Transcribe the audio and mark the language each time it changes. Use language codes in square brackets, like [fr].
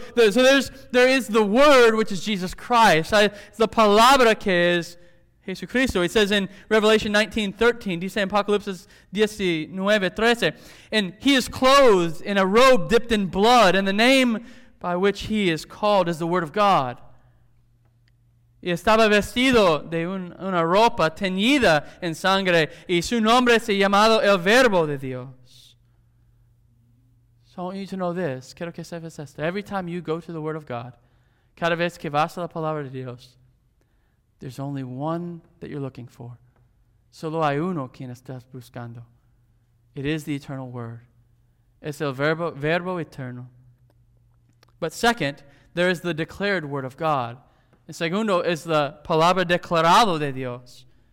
[en] So there is the Word, which is Jesus Christ. It's the [es] palabra que es Jesucristo. [en] It says in Revelation 19:13, [es] dice en Apocalipsis 19:13, [en] and he is clothed in a robe dipped in blood, and the name by which he is called is the Word of God. [es] Y estaba vestido de una ropa teñida en sangre, y su nombre se llamado el Verbo de Dios. [en] So I want you to know this. [es] Quiero que sepas esto. [en] Every time you go to the Word of God, [es] cada vez que vas a la Palabra de Dios, [en] there's only one that you're looking for. [es] Solo hay uno quien estás buscando. [en] It is the eternal Word. [es] Es el Verbo eterno. [en] But second, there is the declared Word of God. [es] El segundo es la palabra declarado de Dios.